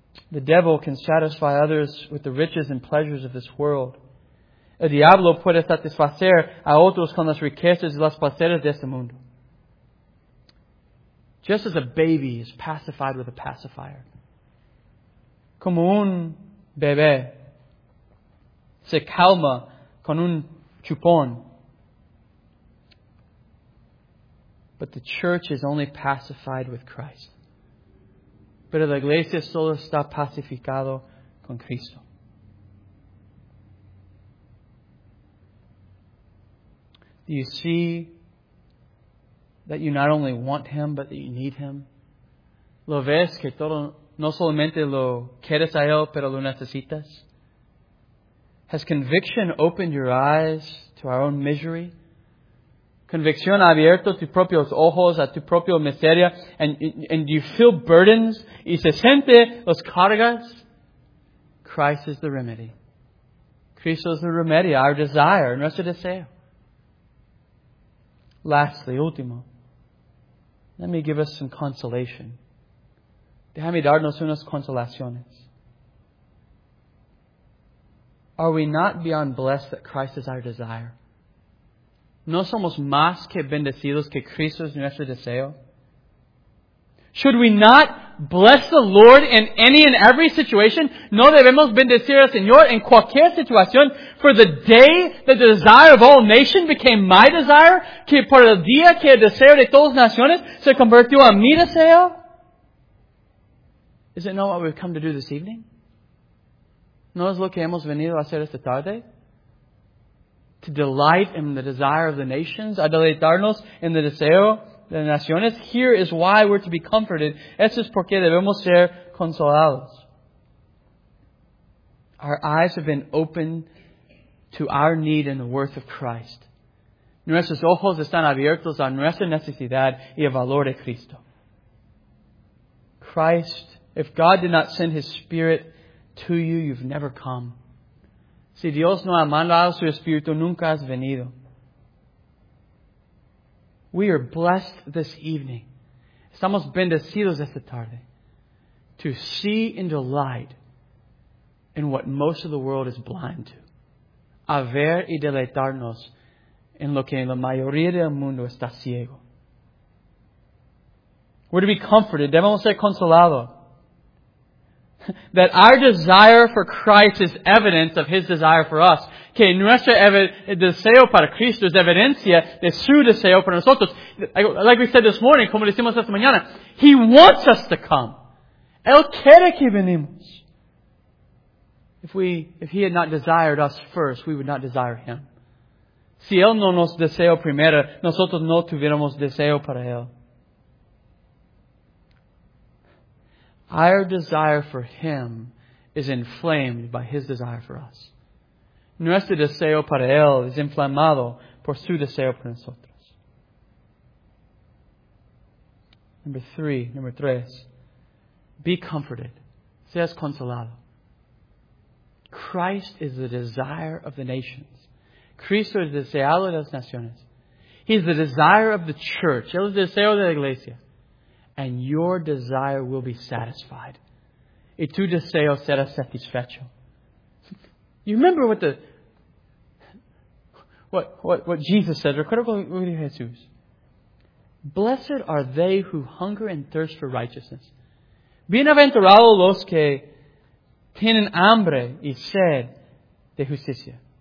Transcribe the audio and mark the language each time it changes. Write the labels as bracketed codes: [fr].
[en] The devil can satisfy others with the riches and pleasures of this world. [es] El diablo puede satisfacer a otros con las riquezas y las placeres de este mundo. [en] Just as a baby is pacified with a pacifier. [es] como un bebé se calma con un chupón. [en] But the church is only pacified with Christ. [es] Pero la iglesia solo está pacificado con Cristo. [en] Do you see that you not only want Him, but that you need Him? [es] ¿Lo ves que todo, no solamente lo quieres a Él, pero lo necesitas? [en] Has conviction opened your eyes to our own misery? [es] Convicción ha abierto tus propios ojos a tu propia miseria, [en] and do you feel burdens? [es] ¿Y se siente las cargas? [en] Christ is the remedy. [es] Cristo es el remedio, [en] our desire, [es] nuestro deseo. [en] Lastly, [es] último, [en] let me give us some consolation. [es] Déjame darnos unas consolaciones. [en] Are we not beyond blessed that Christ is our desire? [es] ¿No somos más que bendecidos que Cristo es nuestro deseo? [en] Should we not bless the Lord in any and every situation? [es] ¿No debemos bendecir al Señor en cualquier situación? [en] For the day the desire of all nations became my desire, [es] que por el día que el deseo de todas las naciones se convirtió en mi deseo? [en] Is it not what we've come to do this evening? [es] ¿No es lo que hemos venido a hacer esta tarde? [en] To delight in the desire of the nations, [es] a deleitarnos en el deseo de las naciones. [en] Here is why we're to be comforted. [es] Esto es porque debemos ser consolados. [en] Our eyes have been opened to our need and the worth of Christ. [es] Nuestros ojos están abiertos a nuestra necesidad y el valor de Cristo. [en] Christ, if God did not send His Spirit to you, you've never come. [es] Si Dios no ha mandado su Espíritu, nunca has venido. [en] We are blessed this evening. [es] Estamos bendecidos esta tarde. [en] To see and delight in what most of the world is blind to. [es] A ver y deleitarnos en lo que la mayoría del mundo está ciego. [en] We're to be comforted. [es] Debemos ser consolados. [en] That our desire for Christ is evidence of His desire for us. [es] Que nuestro deseo para Cristo es evidencia de su deseo para nosotros. [en] Like we said this morning, [es] como decimos esta mañana, [en] He wants us to come. [es] Él quiere que venimos. [en] If He had not desired us first, we would not desire Him. [es] Si Él no nos deseó primero, nosotros no tuviéramos deseo para Él. [en] Our desire for Him is inflamed by His desire for us. [es] Nuestro deseo para Él es inflamado por su deseo para nosotros. [en] Number three. Be comforted. [es] Seas consolado. [en] Christ is the desire of the nations. [es] Cristo es deseado de las naciones. [en] He is the desire of the church. [es] Él es deseo de la iglesia. [en] And your desire will be satisfied. [es] Y tu deseo será satisfecho. [en] You remember what Jesus said. [es] Recuerda lo que Jesús. [en] Blessed are they who hunger and thirst for righteousness. [es] Bienaventurados los que tienen hambre y sed de justicia.